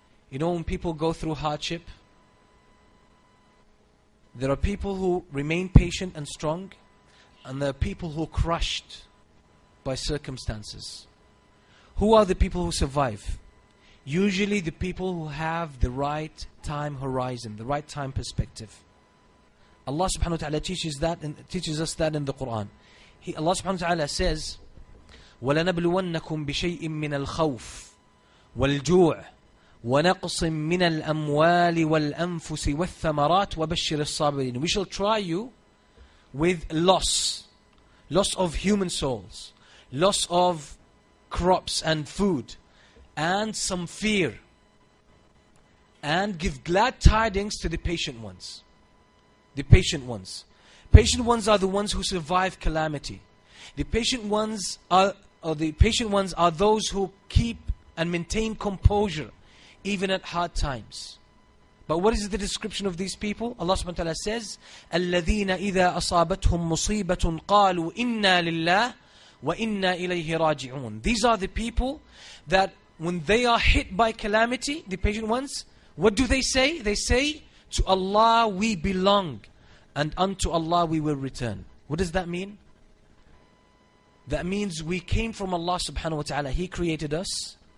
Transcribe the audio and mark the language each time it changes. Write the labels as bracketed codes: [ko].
[en] You know, when people go through hardship, there are people who remain patient and strong, and there are people who are crushed by circumstances. Who are the people who survive? Usually the people who have the right time horizon, the right time perspective. Allah subhanahu wa ta'ala teaches us that in the Quran. Allah subhanahu wa ta'ala says, [ar] وَلَنَبْلُوَنَّكُمْ بِشَيْءٍ مِّنَ الْخَوْفِ وَالْجُوعِ وَنَقْصٍ مِّنَ الْأَمْوَالِ وَالْأَنفُسِ وَالثَّمَرَاتِ وَبَشِّرِ الصَّابِرِينَ. [en] We shall try you with loss of human souls, loss of crops and food, and some fear, and give glad tidings to the patient ones. Patient ones are the ones who survive calamity. The patient ones are those who keep and maintain composure even at hard times. But what is the description of these people? Allah subhanahu wa ta'ala says, [ar] الَّذِينَ إِذَا أَصَابَتْهُمْ مُصِيبَةٌ قَالُوا إِنَّا لِلَّهِ وَإِنَّا إِلَيْهِ رَاجِعُونَ. [en] These are the people that when they are hit by calamity, the patient ones, what do they say? They say, to Allah we belong and unto Allah we will return. What does that mean? That means we came from Allah subhanahu wa ta'ala. He created us.